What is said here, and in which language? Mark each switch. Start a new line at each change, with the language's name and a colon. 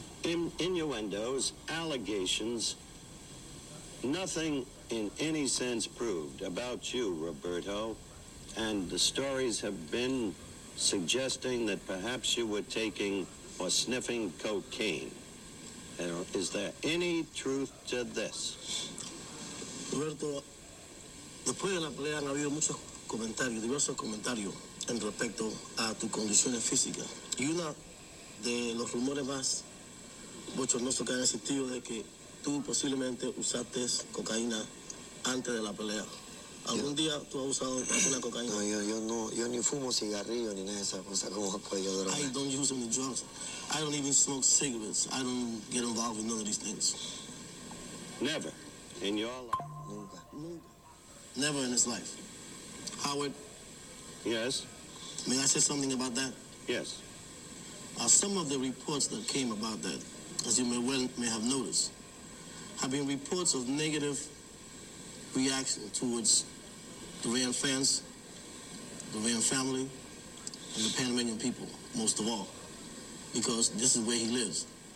English: Innuendos, allegations, nothing in any sense proved about you, Roberto, and the stories have been suggesting that perhaps you were taking or sniffing cocaine. Is there any truth to this?
Spanish: Roberto, después de la pelea han habido muchos comentarios, diversos comentarios en respecto a tu condiciones físicas. Y uno de los rumores más bochornoso que han existido de que tú posiblemente usaste cocaína antes de la pelea. ¿Algún día tú has usado alguna cocaína? No, yo ni fumo cigarrillo ni nada de esa cosa. ¿Cómo puedo yo drogar?
English: I don't use any drugs. I don't even smoke cigarettes. I don't get involved with none of these things. Never in your life.
Spanish: Nunca.
English: Nunca. Never in his life. Howard. Yes. May I say something about that? Yes. Some of the reports that came about that, as you may have noticed, have been reports of negative reaction towards the Duran fans, the Duran family, and the Panamanian people, most of all, because this is where he lives.